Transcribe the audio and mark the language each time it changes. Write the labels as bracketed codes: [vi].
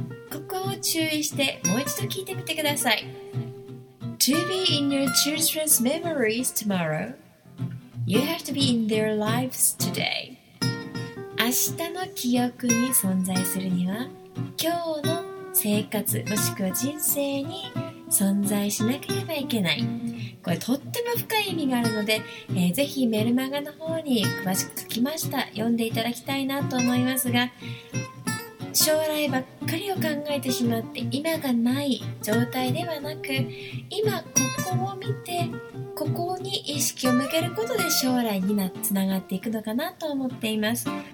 [ja] ここを注意してもう一度聞いてみてください。 [en] To be in your children's memories tomorrow, you have to be in their lives today. [ja] 明日の記憶に存在するには、今日の生活もしくは人生に存在しなければいけない。これとっても深い意味があるので、ぜひメルマガの方に詳しく書きました。読んでいただきたいなと思いますが、将来ばっかりを考えてしまって今がない状態ではなく、今ここを見てここに意識を向けることで将来につながっていくのかなと思っています。